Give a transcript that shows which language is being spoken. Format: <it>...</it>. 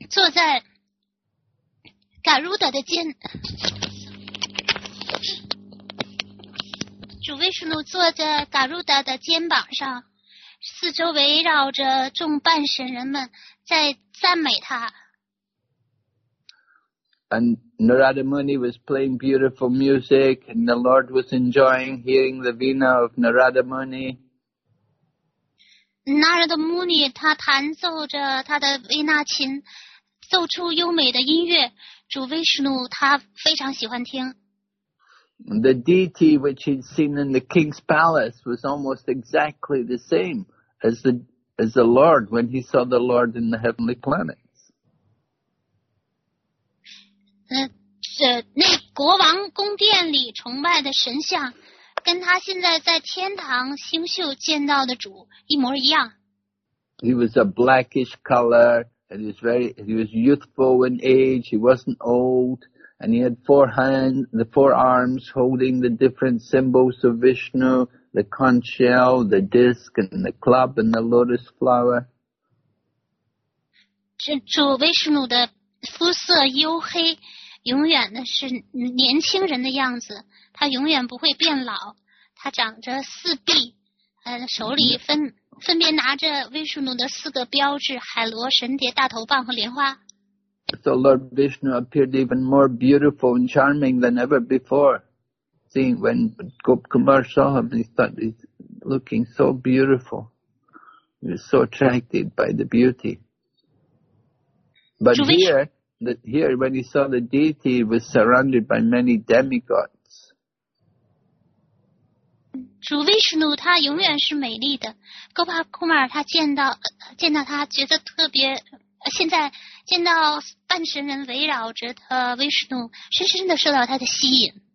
<zh>在嘎鲁达的肩，主维什努坐在嘎鲁达的肩膀上，四周围绕着众半神人们在赞美他。</zh> <en>And Narada Muni was playing beautiful music, and the Lord was enjoying hearing the vina of Narada Muni.</en> <zh>Narada Muni, 他弹奏着他的维纳琴，奏出优美的音乐。主维什努他非常喜欢听。</zh> <en>The deity which he'd seen in the king's palace was almost exactly the same as the Lord when he saw the Lord in the heavenly planet.</en> <zh>那国王宫殿里崇拜的神像跟他现在在天堂星宿见到的主一模一样。</zh> <en>He was a blackish color, and he was youthful in age, he wasn't old, and he had four arms holding the different symbols of Vishnu, the conch shell, the disc, and the club, and the lotus flower.</en> <zh>主维什努的肤色黝黑，永远的是年轻人的样子，他永远不会变老。他长着四臂，手里分别拿着维什努的四个标志：海螺、神蝶、大头棒和莲花。</zh> <en>So Lord Vishnu appeared even more beautiful and charming than ever before. Seeing when Gop Kumar saw him, he thought he's looking so beautiful. He was so attracted by the beauty. But here, when he saw the deity, he was surrounded by many demigods.</en> <zh>主维什努他永远是美丽的。戈巴库马尔他见到他觉得特别，现在见到半神人围绕着他，维什努深深的受到他的吸引。</zh>